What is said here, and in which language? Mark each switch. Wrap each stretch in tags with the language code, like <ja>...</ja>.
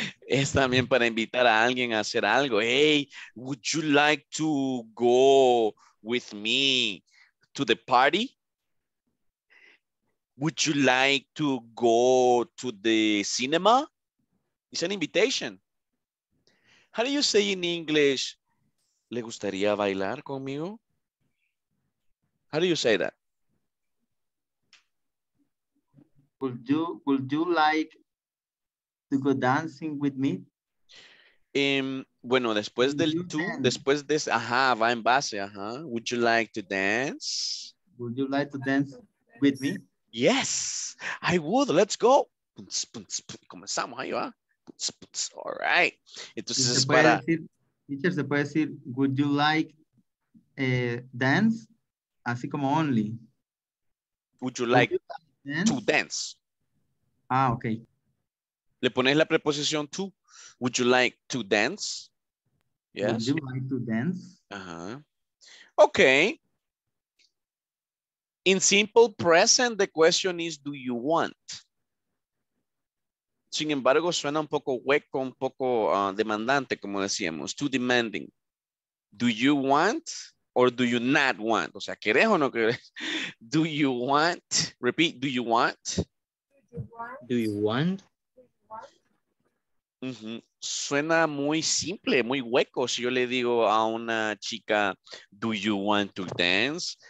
<es>Es también para invitar a alguien a hacer algo.</es> <en>Hey, would you like to go with me to the party? Would you like to go to the cinema? It's an invitation. How do you say in English,</en> <es>¿le gustaría bailar conmigo?</es> <en>How do you say that? Would you like to go dancing with me?</en> <es>Bueno, después del tú, después de ese, ajá, va en base, ajá.</es> <en>Would you like to dance? Would you like to dance with me? Yes, I would. Let's go. Puts, puts, puts.</en> <es>Comenzamos, ahí va.</es> <en>Puts, puts. All right.</en> <es>Entonces, es para... Teacher, se puede decir,</es> <en>would you like dance?</en> <es>Así como only.</es> <en>Would you like to dance? Ah, ok.</en> <es>Le pones la preposición to.</es> <en>Would you like to dance? Yes. Would you like to dance? Uh-huh. Okay. In simple present, the question is, do you want?</en> <es>Sin embargo, suena un poco hueco, un poco demandante, como decíamos.</es> <en>Too demanding. Do you want or do you not want?</en> <es>O sea, ¿querés o no querés?</es> <en>Do you want? Repeat, do you want? Do you want?</en> <es>Uh-huh. Suena muy simple, muy hueco. Si yo le digo a una chica,</es> <en>do you want to dance?</en>